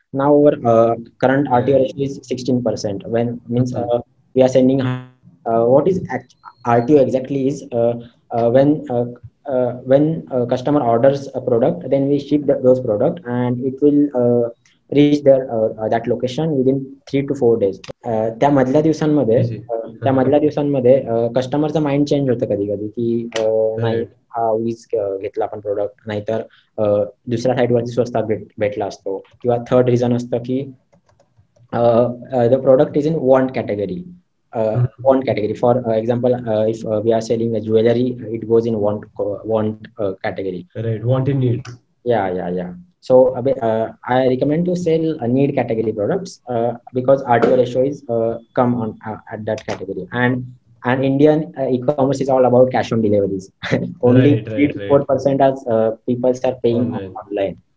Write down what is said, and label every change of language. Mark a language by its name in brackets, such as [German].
[English] Now our current RTO ratio is 16%. We are sending. What is RTO exactly is when a customer orders a product, then we ship those product and it will reach their that location within 3 to 4 days. [Marathi] त्या मधल्या दिवसांमध्ये कस्टमरचं mind change होतं कधी कधी की नाही हा वीज घेतला आपण प्रोडक्ट नाहीतर दुसऱ्या साईडवरती स्वस्तात भेटला असतो किंवा थर्ड रिझन असतं की [English] the product is in want category [Marathi] for example if we R selling a jewellery it goes in want category [English] Want in need या So I recommend to sell a need category products because RTO ratio is come on at that category. And Indian e-commerce is all about cash on deliveries. Only 3-4% as people start paying online.